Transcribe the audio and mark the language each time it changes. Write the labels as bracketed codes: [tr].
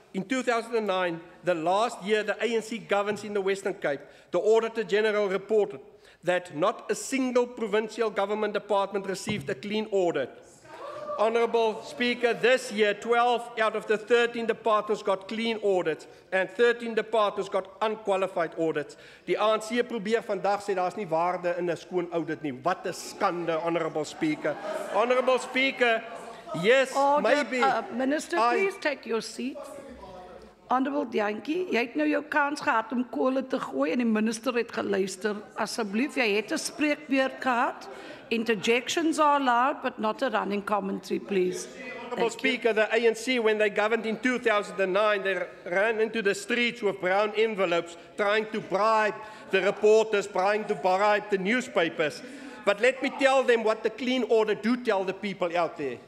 [en] In 2009, the last year the ANC governs in the Western Cape, the Auditor General reported that not a single provincial government department received a clean audit. Honourable Speaker, this year 12 out of the 13 departments got clean audits and 13 departments got unqualified audits. [af] Die ANC probeer vandag sê daar is nie waarde in 'n skoon audit nie. Wat 'n skande, [en] Honourable Speaker. Honourable Speaker, yes, order, maybe. Minister, please take your seat. [af] Honourable Dianki, jy het nou jou kans gehad om kole te gooi en die minister het geluister. Asseblief, jy het 'n spreekbeurt gehad. [en] Interjections are allowed, but not a running commentary, please. Honourable Speaker, the ANC, when they governed in 2009, they ran into the streets with brown envelopes, trying to bribe the reporters, trying to bribe the newspapers. But let me tell them what the clean order do tell the people out there.